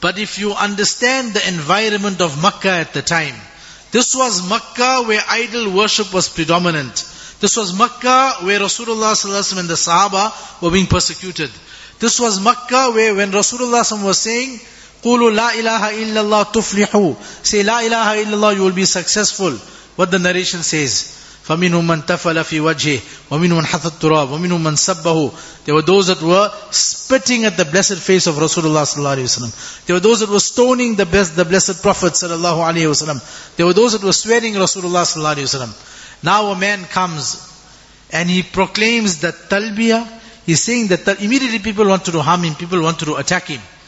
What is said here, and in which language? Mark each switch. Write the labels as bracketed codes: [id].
[en] But if you understand the environment of Makkah at the time, this was Makkah where idol worship was predominant. This was Makkah where Rasulullah sallallahu alaihi wasallam and the Sahaba were being persecuted. This was Makkah where when Rasulullah sallallahu alaihi wasallam was saying, [ar] قُولُوا لَا إِلَهَ إِلَّا اللَّهُ تُفْلِحُ, [en] say [ar] لَا إِلَهَ إِلَّا اللَّهُ, [en] you will be successful. What the narration says, [ar] فَمِنْهُمْ مَنْ تَفَلَ فِي وَجْهِهِ وَمِنْهُمْ مَنْ حَثَ التُّرَابِ وَمِنْهُمْ مَنْ سَبَّهُ. [en] There were those that were spitting at the blessed face of Rasulullah sallallahu alaihi wasallam. There were those that were stoning the blessed Prophet sallallahu alaihi wasallam. There were those that were swearing Rasulullah sallallahu alaihi wasallam. Now a man comes and he proclaims the talbiyah. He's saying that immediately people want to harm him, people want to attack him.